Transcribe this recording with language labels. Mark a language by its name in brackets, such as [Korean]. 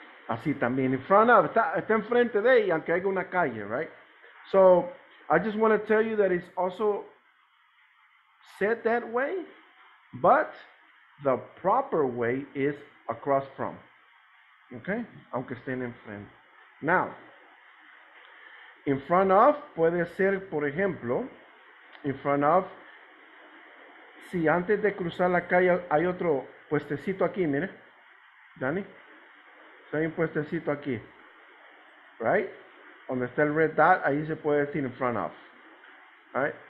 [Spanish] Así también, in front of, está enfrente de ella, aunque haya una calle, right? [English] So, I just want to tell you that it's also said that way, but the proper way is across from, okay? [Spanish] Aunque estén enfrente. Now, in front of puede ser, por ejemplo, in front of, si antes de cruzar la calle hay otro puestecito aquí, mire, Dani. Hay un puestecito aquí, right? Donde está el [English] red dot, [Spanish] ahí se puede decir in front of, right?